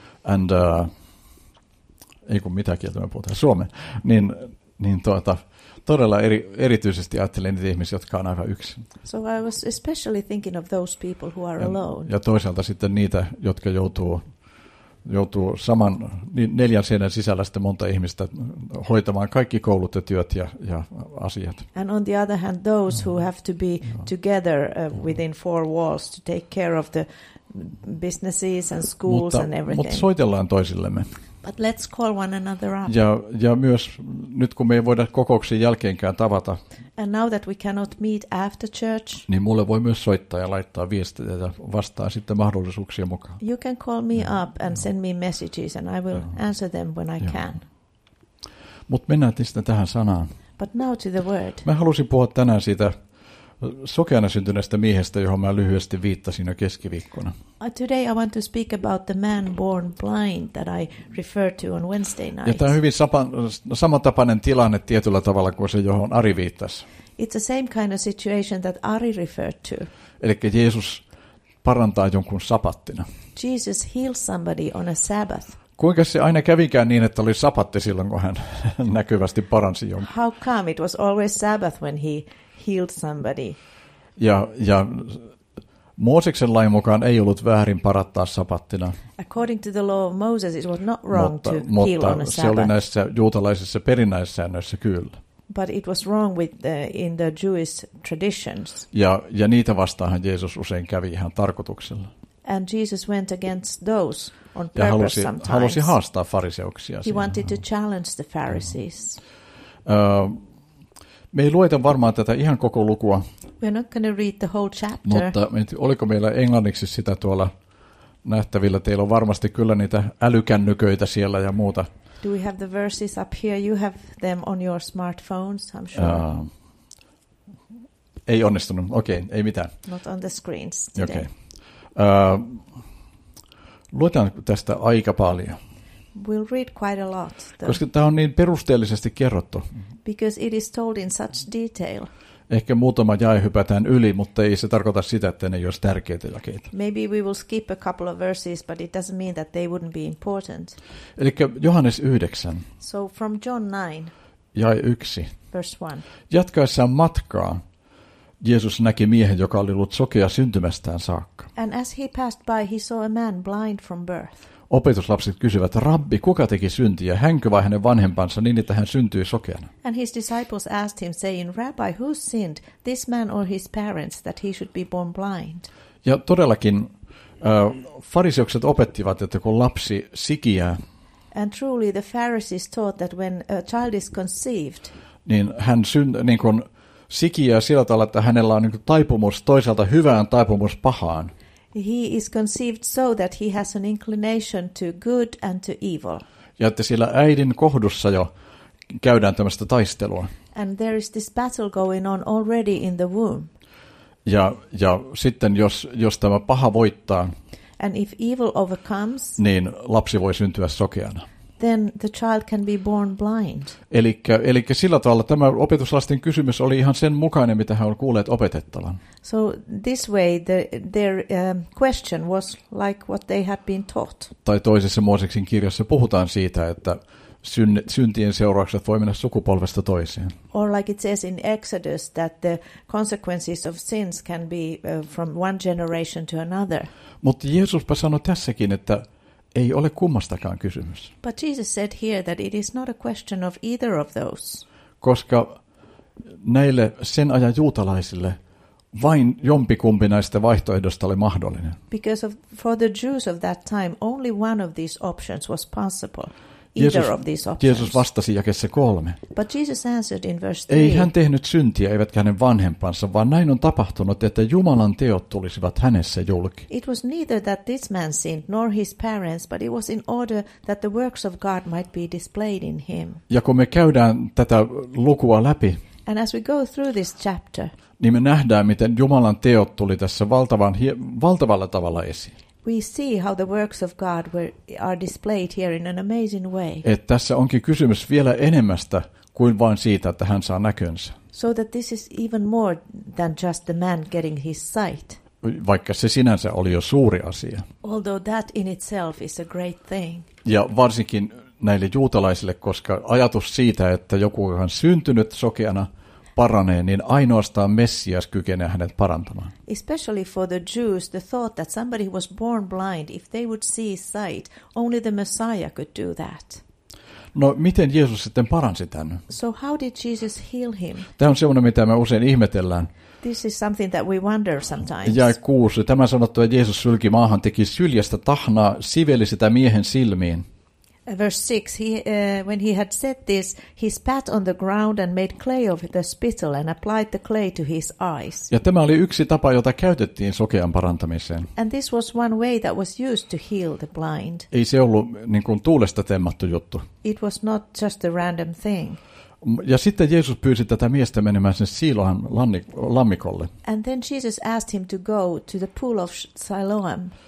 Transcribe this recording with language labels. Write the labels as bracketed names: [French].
[Finnish] And, ei kun mitä kieltä me puhutaan, suomea, niin, niin tuota, todella erityisesti ajattelen niitä ihmisiä, jotka on aivan yksin. [English] So I was especially thinking of those people who are alone. [Finnish] Ja toisaalta sitten niitä, jotka joutuu saman neljän seinän sisällä sitten monta ihmistä hoitamaan kaikki koulut ja työt ja asiat. [English] And on the other hand, those who have to be together within four walls to take care of the businesses and schools [Finnish] mutta, [English] and everything. [Finnish] Mutta soitellaan toisillemme. [English] But let's call one another up. [Finnish] Ja myös nyt kun me ei voida kokouksen jälkeenkään tavata. [English] And now that we cannot meet after church. [Finnish] Niin mulle voi myös soittaa ja laittaa viestejä ja vastaa sitten mahdollisuuksien mukaan. [English] You can call me up and send me messages and I will answer them when I can. [Finnish] Mut mennään sitten tähän sanaan. [English] But now to the word. [Finnish] Mä halusin puhua tänään siitä sokeana syntyneestä miehestä, johon mä lyhyesti viittasin jo keskiviikkona. [English] Today I want to speak about the man born blind that I referred to on Wednesday night. [Finnish] Ja tämä on hyvin samantapainen tilanne tietyllä tavalla kuin se, johon Ari viittasi. [English] It's the same kind of situation that Ari referred to. [Finnish] Eli Jeesus parantaa jonkun sapattina. [English] Jesus heals somebody on a Sabbath. [Finnish] Kuinka se aina kävikään niin, että oli sapatti silloin, kun hän näkyvästi paransi jonkun? [English] How come it was always Sabbath when he healed somebody? [Finnish] Ja Mooseksen lain mukaan ei ollut väärin parattaa sapattina. [English] According to the law of Moses, it was not wrong [Finnish] mutta, [English] to heal [Finnish] mutta [English] on a Sabbath. [Finnish] Se oli näissä juutalaisissa perinnäissäännöissä kyllä. [English] But it was wrong with the, in the Jewish traditions. [Finnish] Ja niitä vastaan Jeesus usein kävi ihan tarkoituksella. [English] And Jesus went against those on purpose [Finnish] ja halusi, [English] sometimes. [Finnish] Ja halusi haastaa fariseuksia. He siihen. [English] Wanted to challenge the Pharisees. [Finnish] Me ei lueta varmaan tätä ihan koko lukua. [English] We're not going to read the whole chapter. [Finnish] Mutta oliko meillä englanniksi sitä tuolla nähtävillä? Teillä on varmasti kyllä niitä älykännyköitä siellä ja muuta. [English] Do we have the verses up here? You have them on your smartphones, I'm sure. [Finnish] Ei onnistunut. Okei, ei mitään. [English] Not on the screens today. [Finnish] Okei. Luetaan tästä aika paljon. [English] We'll read quite a lot. Though. [Finnish] Koska tämä on niin perusteellisesti kerrottu. [English] Because it is told in such detail. [Finnish] Ehkä muutama jae hypätään yli, mutta ei se tarkoita sitä, että ne ei olisi tärkeitä jakeita. [English] Maybe we will skip a couple of verses, but it doesn't mean that they wouldn't be important. [Finnish] Eli Johannes 9. [English] So from John 9. [Finnish] Jae 1. [English] Verse 1. [Finnish] Jatkaessaan matkaa, Jeesus näki miehen, joka oli ollut sokea syntymästään saakka. [English] And as he passed by, he saw a man blind from birth. [Finnish] Opetuslapset kysyvät, Rabbi, kuka teki syntiä, hänkö vai hänen vanhempansa, niin että hän syntyi sokeana? [English] And his disciples asked him, saying, Rabbi, who sinned, this man or his parents, that he should be born blind? [Finnish] Ja todellakin, fariseukset opettivat, että kun lapsi sikiää, [English] and truly the Pharisees taught that when a child is conceived, [Finnish] niin hän syntyi, niin kun sikiää sillä tavalla, että hänellä on niin kun taipumus toisaalta hyvään, taipumus pahaan. [English] He is conceived so that he has an inclination to good and to evil. [Finnish] Ja että siellä äidin kohdussa jo käydään tämmöistä taistelua. [English] And there is this battle going on already in the womb. [Finnish] Ja sitten jos tämä paha voittaa. [English] And if evil overcomes. [Finnish] Niin lapsi voi syntyä sokeana. [English] Then the child can be born blind. [Finnish] Elikkä sillä tavalla tämä opetuslasten kysymys oli ihan sen mukainen, mitä hän oli kuulleet opetettavan. [English] So this way their question was like what they had been taught. [Finnish] Tai toisessa Mooseksen kirjassa puhutaan siitä, että syntien seuraukset voi mennä sukupolvesta toiseen. [English] Or like it says in Exodus that the consequences of sins can be from one generation to another. [Finnish] Mutta Jeesuspa sanoi tässäkin, että ei ole kummastakaan kysymys. [English] But Jesus said here that it is not a question of either of those. [Finnish] Koska näille sen ajan juutalaisille vain jompikumpi näistä vaihtoehdosta oli mahdollinen. [English] Because for the Jews of that time only one of these options was possible. Either of these options. [Finnish] Jeesus vastasi jakeessa 3. [English] But Jesus answered in verse 3. [Finnish] Ei hän tehnyt syntiä, eivätkä hänen vanhempansa, vaan näin on tapahtunut, että Jumalan teot tulisivat hänessä julki. [English] It was neither that this man sinned nor his parents, but it was in order that the works of God might be displayed in him. [Finnish] Ja kun me käydään tätä lukua läpi, [English] and as we go through this chapter, [Finnish] niin me nähdään, miten Jumalan teot tuli tässä valtavalla tavalla esiin. [English] We see how the works of God are displayed here in an amazing way. [Finnish] Et tässä onkin kysymys vielä enemmästä kuin vain siitä, että hän saa näkönsä. [English] So that this is even more than just the man getting his sight. [Finnish] Vaikka se sinänsä oli jo suuri asia. [English] Although that in itself is a great thing. [Finnish] Ja varsinkin näille juutalaisille, koska ajatus siitä, että joku on syntynyt sokeana, paranee, niin ainoastaan Messias kykenee hänet parantamaan. [English] Especially for the Jews, the thought that somebody was born blind, if they would see sight, only the Messiah could do that. [Finnish] No, miten Jeesus sitten paransi tämän? [English] So how did Jesus heal him? [Finnish] Tämä on semmoinen, mitä me usein ihmetellään. [English] This is something that we wonder sometimes. [Finnish] Jäi 6. Tämä sanottu, että Jeesus sylki maahan, teki syljestä tahnaa, siveli sitä miehen silmiin. [English] Verse 6. When he had said this, he spat on the ground and made clay of the spittle and applied the clay to his eyes. [Finnish] Ja tämä oli yksi tapa, jota käytettiin sokean parantamiseen. [English] And this was one way that was used to heal the blind. [Finnish] Ei se ollut niin kuin tuulesta temmattu juttu. [English] It was not just a random thing. [Finnish] Ja sitten Jeesus pyysi tätä miestä menemään sen Siloan lammikolle. [English] And then Jesus asked him to go to the pool of Siloam.